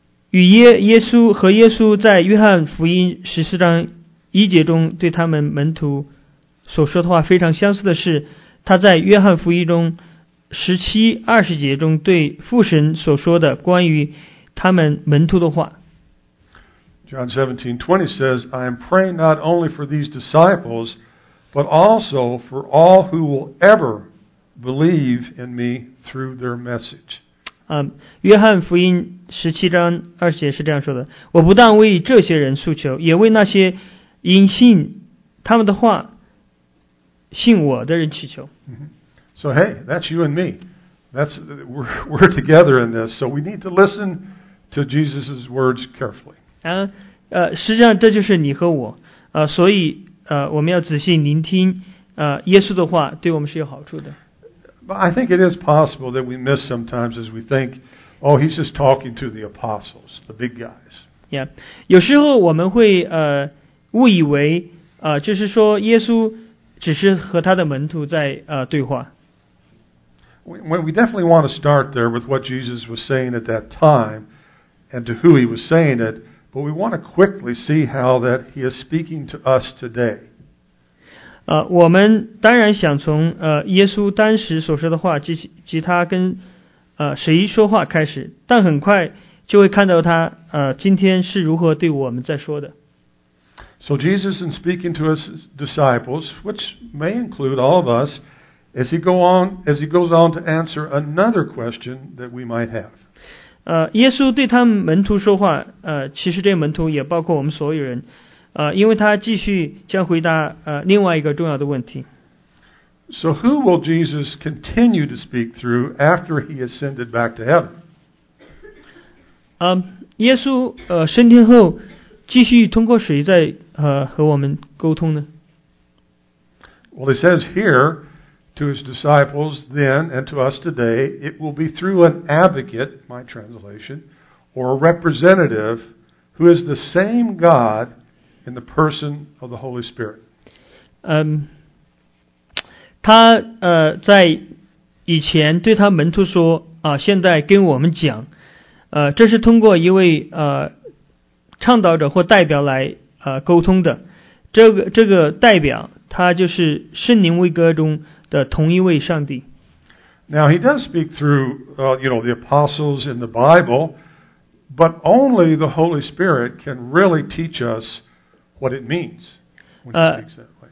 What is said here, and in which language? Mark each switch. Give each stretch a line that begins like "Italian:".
Chinese: 与耶稣和耶稣在约翰福音十四章一节中对他们门徒所说的话非常相似的是，他在约翰福音中十七二十节中对父神所说的关于他们门徒的话。
English: John 17:20 says, "I am praying not only for these disciples, but also for all who will ever." Believe in me through their message.
Chinese: 约翰福音十七章二节是这样说的：我不但为这些人诉求，也为那些因信他们的话信我的人祈求。
English: So hey, that's you and me. That's we're together in this. So we need to listen to Jesus' words carefully.
Chinese: 实际上这就是你和我。所以我们要仔细聆听耶稣的话，对我们是有好处的。
English: I think it is possible that we miss sometimes as we think, oh, he's just talking to the apostles, the big guys. Yeah.
Chinese: 有时候我们会误以为就是说耶稣只是和他的门徒在对话。
English: We definitely want to start there with what Jesus was saying at that time and to who he was saying it, but we want to quickly see how that he is speaking to us today.
Chinese: 我们当然想从耶稣当时所说的话及他跟谁说话开始，但很快就会看到他今天是如何对我们在说的。
English: So Jesus in speaking to his disciples, which may include all of us, as he goes on to answer another question that we might have.
Chinese: 耶稣对他们门徒说话，其实这门徒也包括我们所有人。因为他继续将回答另外一个重要的问题。
English: So who will Jesus continue to speak through after he ascended back to heaven?
Chinese: 耶稣升天后继续通过谁在和我们沟通呢？
English: Well, it says here, to his disciples then and to us today, it will be through an advocate, my translation, or a representative who is the same God in the person of the Holy Spirit.
Chinese: 他在以前对他门徒说，现在跟我们讲，这是通过一位倡导者或代表来沟通的，这个代表他就是圣灵威格中的同一位上帝。
English: Now he does speak through the apostles in the Bible, but only the Holy Spirit can really teach us what it means when he speaks that.